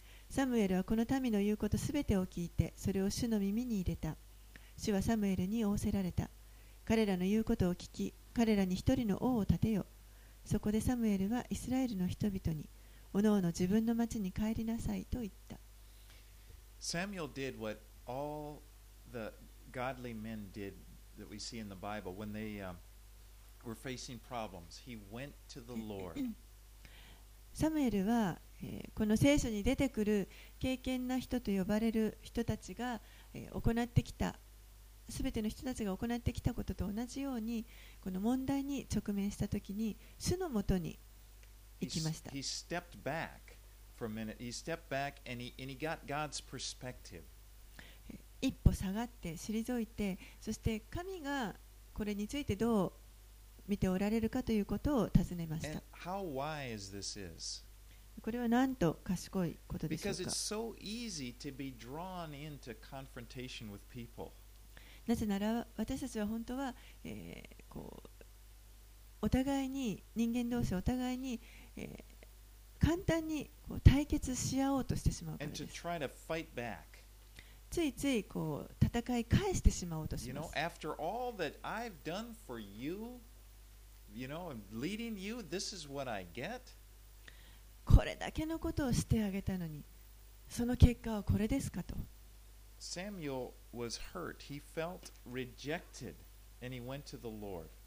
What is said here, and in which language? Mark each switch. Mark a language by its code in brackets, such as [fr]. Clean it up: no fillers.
[ja] サムエルはこの民の言うことすべてを聞いて、それを主の耳に入れた。主はサムエルに仰せられた。彼らの言うことを聞き、彼らに一人の王を立てよ。そこでサムエルはイスラエルの人々に、おのおの自分の町に帰りなさいと言った。 [en] サムエル did what all the godly men did that we see in the Bible when they were facing problems. He went to the Lord. [ja] サムエルはこの聖書に出てくる敬虔な人と呼ばれる人たちが行ってきた、すべての人たちが行ってきたことと同じように、この問題に直面したときに主のもとに行きました。 [en] He stepped back for a minute. He stepped back and he got God's perspective. [ja] 一歩下がって退いて、そして神がこれについてどう見ておられるかということを尋ねました。 [en] And how wise this is. [ja] これはなんと賢いことでしょうか。 [en] Because it's so easy to be drawn into confrontation with people. [ja] なぜなら私たちは本当は、こうお互いに、人間同士お互いに、簡単にこう対決し合おうとしてしまうからです。 [en] And to try to fight back. [ja] ついついこう戦い返してしまおうとします。 [en] You know, after all that I've done for you, you know, and leading you, this is what I get. [ja] これだけのことをしてあげたのに、その結果はこれですかと。 [en] サムエル was hurt. He felt rejected, and he went to the Lord.